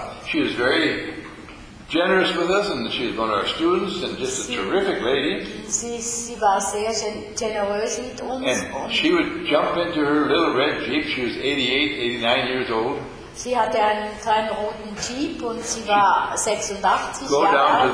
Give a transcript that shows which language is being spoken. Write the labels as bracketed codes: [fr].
[en] She was very generous with us, and she was one of our students, and just a terrific lady. [de] Sie war sehr generös mit uns. [en] And she would jump into her little red Jeep. She was 88, 89 years old. [de] Sie hatte einen kleinen roten Jeep und sie war 86 Jahre alt.